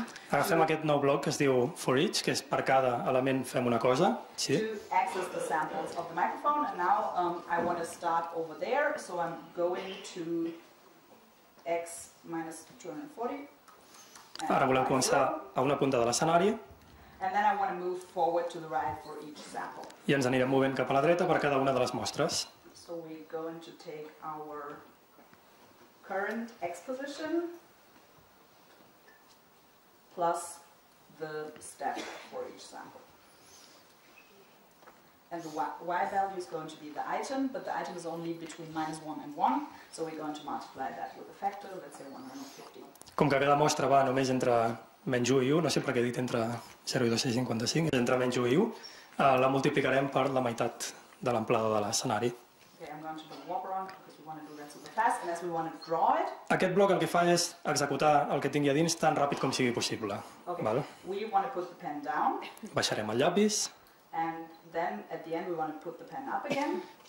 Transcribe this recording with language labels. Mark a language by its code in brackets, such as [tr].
[ca] Agafem aquest nou bloc que es diu for each, que és per cada element fem una cosa. Sí. [en] To access the samples of the microphone, and now I want to start over there, so I'm going to X minus 240. [ca] Ara volem començar a una punta de l'escenari. [en] And then I want to move forward to the right for each sample. [ca] I ens anirem movent cap a la dreta per cada una de les mostres. [en] So we're going to take our current X position plus the step for each sample. And the Y value is going to be the item, but the item is only between -1 and 1, so we're going to multiply that with a factor, let's say 150. [ca] Com que cada mostra va només entre menys 1 i 1, no sé per què he dit entre 0 i 255, entre menys 1 i 1, la multiplicarem per la meitat de l'amplada de l'escenari. [en] Okay, [ca] aquest bloc el que fa és executar el que tingui a dins tan ràpid com sigui possible. [en] Okay. Val? We want to put the pen down. [ca] Baixarem el llapis. [en] And then at the end we want to put the pen up again.